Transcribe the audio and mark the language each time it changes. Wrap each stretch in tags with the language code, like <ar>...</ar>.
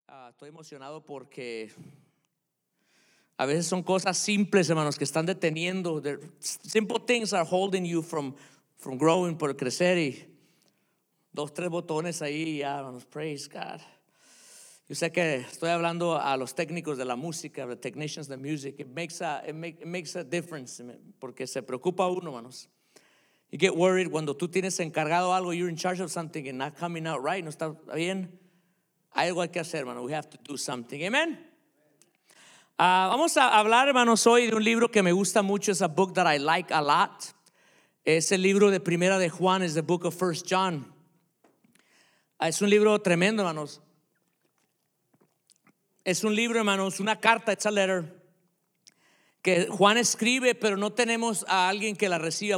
<es>Estoy emocionado porque a veces son cosas simples, hermanos, que están deteniendo.</es> <en>Simple things are holding you from growing,</en> <es>por crecer. Y dos, tres botones ahí, ya, hermanos,</es> <en>praise God.</en> <es>Yo sé que estoy hablando a los técnicos de la música,</es> <en>the technicians of the music. It makes a difference,</en> <es>porque se preocupa uno, hermanos.</es> <en>You get worried</en> <es>cuando tú tienes encargado algo,</es> <en>you're in charge of something and not coming out right,</en> <es>no está bien. Hay algo que hacer, hermano.</es> <en>We have to do something. Amen.</en> <es>Vamos a hablar, hermanos, hoy de un libro que me gusta mucho.</es> <en>It's a book that I like a lot.</en> <es>Es el libro de Primera de Juan,</es> <en>is the book of First John.</en> <es>Es un libro tremendo, hermanos. Es un libro, hermanos, una carta,</es> <en>it's a letter,</en> <es>que Juan escribe, pero no tenemos a alguien que la reciba.</es>